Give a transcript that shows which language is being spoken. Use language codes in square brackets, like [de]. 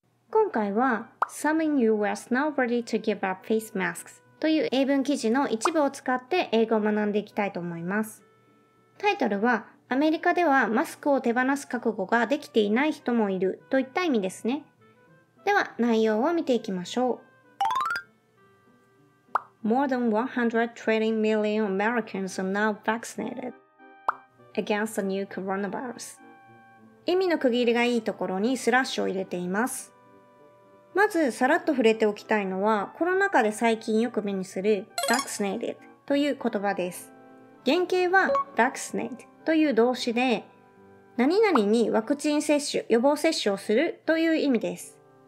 [ja] 今回は、 [en] Some in US not ready to give up face masks [ja] という英文記事の一部を使って英語を学んでいきたいと思います。タイトルは、アメリカではマスクを手放す覚悟ができていない人もいるといった意味ですね。では、内容を見ていきましょう。 [en] More than 120 million Americans are now vaccinated against the new coronavirus. [ja] 意味の区切りがいいところにスラッシュを入れています。まずさらっと触れておきたいのは、コロナ禍で最近よく目にする vaccinated という言葉です。原型は vaccinate という動詞で、何々にワクチン接種、予防接種をするという意味です。